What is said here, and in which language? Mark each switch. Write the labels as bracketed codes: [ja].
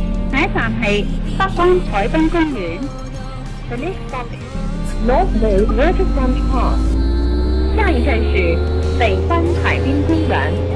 [zh] 下一站是北方彩滨公园。 [en] The next stop is North Bay Waterfront Park. [zh] 下一站是北方海滨公园。